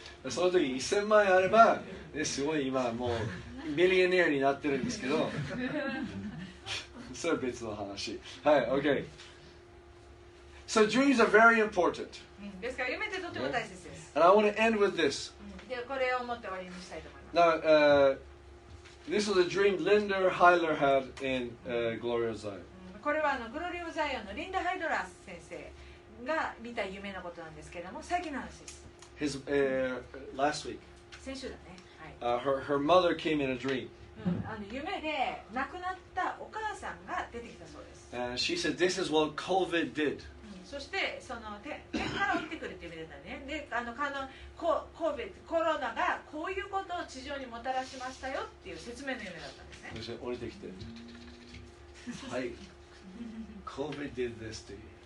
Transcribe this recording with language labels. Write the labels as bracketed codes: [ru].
[ja] その時1000万円あれば、ね、すごい今もうミリオネアになってるんですけど、それは別の話。 [en] はい、OK。So dreams are very important. [ja] ですから夢ってとても大切です。 [en] And I want to end with this. [ja] でこれを持って終わりにしたいと思います。 [en] This was a dream Linda Heiler had in Gloria Zion. [ja] これはグロリオザイオンのリンダ・ハイドラス先生が見た夢のことなんですけれども、最近の話です。 [en] His, last week. [ja] 先週だね。 [en] はい、her mother came in a dream.、 [ja] うん、夢で亡くなったお母さんが出てきたそうです。 [en] And she said, this is what COVID did.、 [ja] うん、そして、その天から降ってくるって夢だったね。で、COVID、コロナがこういうことを地上にもたらしましたよっていう説明の夢だったんですね。そして降りてきて。はい。 [en] COVID did this to you.